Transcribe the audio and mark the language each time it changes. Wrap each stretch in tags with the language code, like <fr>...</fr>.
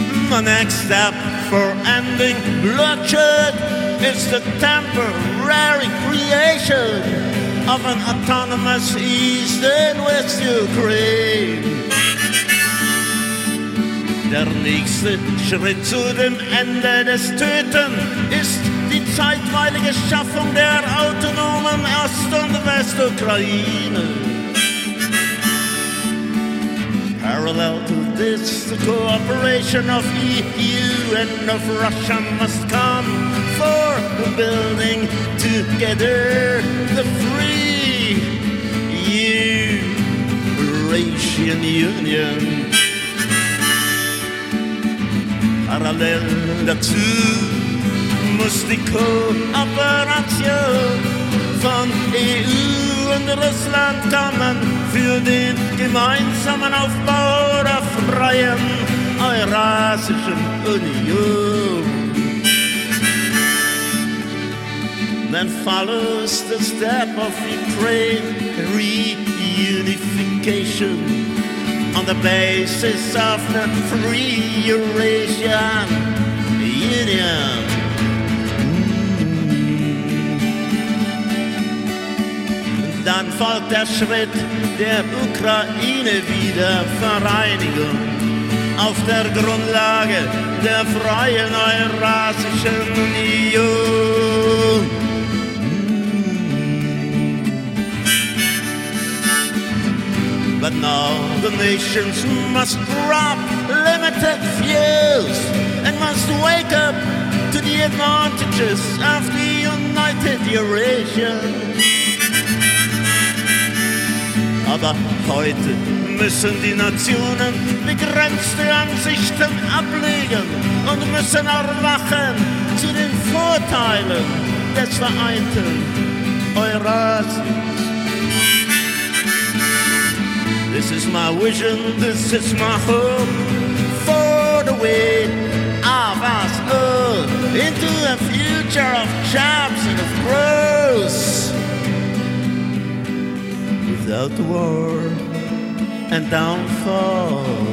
<en>The next step for ending bloodshed is the temporary creation of an autonomous East and West Ukraine.</en> <de>Der nächste Schritt zu dem Ende des Töten ist die zeitweilige Schaffung der autonomen Ost- und West-Ukraine.</de> <en>Parallel to this, the cooperation of EU and of Russia must come for building together the free Eurasian Union.</en> <de>Parallel dazu muss die Kooperation von EU und Russland kommen für den gemeinsamen Aufbau der freien Eurasischen Union.</de> <en>Then follows the step of Ukraine reunification on the basis of the free Eurasian Union.</en> <de>Dann folgt der Schritt der Ukraine-Wiedervereinigung auf der Grundlage der freien Eurasischen Union.</de> <en>But now the nations must drop limited fears and must wake up to the advantages of the united Eurasia.</en> <de>Aber heute müssen die Nationen begrenzte Ansichten ablegen und müssen erwachen zu den Vorteilen des vereinten Eurasien.</de> <en>This is my vision, this is my hope for the way of us all into a future of jobs and of growth without war and downfall.</en>